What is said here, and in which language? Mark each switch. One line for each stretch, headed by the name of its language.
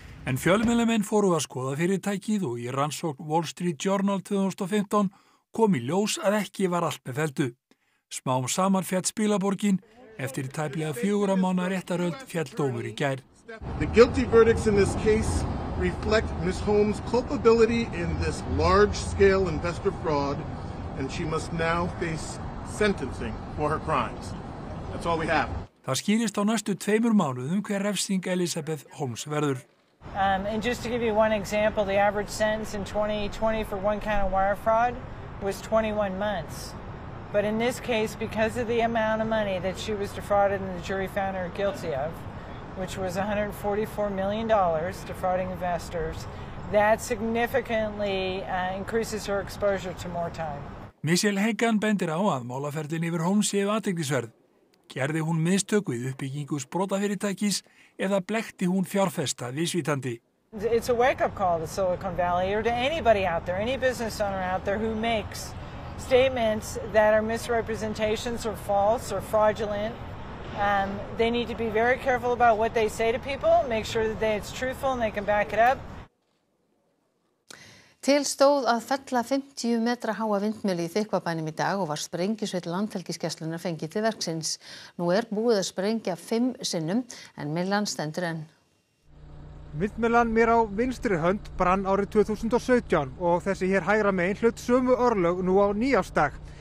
Icelandic: En fjölmiðlamenn fóru að skoða fyrirtækið og í rannsókn Wall Street Journal 2015 kom í ljós að ekki var allt með felldu. Smám saman fjall spilaborgin eftir tæplega fjögurra mánaða réttaröld fjall dómur í gær.
English: The guilty verdicts in this case reflect Ms. Holmes' culpability in this large-scale investor fraud and she must now face sentencing for her crimes. That's all we have.
Icelandic: Það skýrist á næstu tveimur mánuðum hver refsing Elizabeth Holmes verður.
English: And just to give you one example, the average sentence in 2020 for one count of wire fraud was 21 months. But in this case, because of the amount of money that she was defrauded and the jury found her guilty of, which was $144 million defrauding investors, that significantly increases her exposure to more time.
Icelandic: Michelle Hagan bendir á að málaferlin yfir Holmes séu athyglisverð. Gerði hún mistök við uppbyggingu sprotafyrirtækis eða blekti hún fjárfesta viðsvítandi?
English: It's a wake-up call to Silicon Valley or to anybody out there, any business owner out there who makes statements that are misrepresentations or false or fraudulent. They need to be very careful about what they say to people, make sure that it's truthful and they can back it up.
Icelandic: Til stóð að fella 50 metra háa vindmjölu í Þykkvabænum í dag og var sprengjusveit landhelgisgæslunar fengið til verksins. Nú búið að sprengja 5 sinnum en myllan stendur enn. Vindmjölan mér á vinstri hönd brann árið 2017 og þessi hér hægra megin hlut sömu örlög nú á nýjársdag.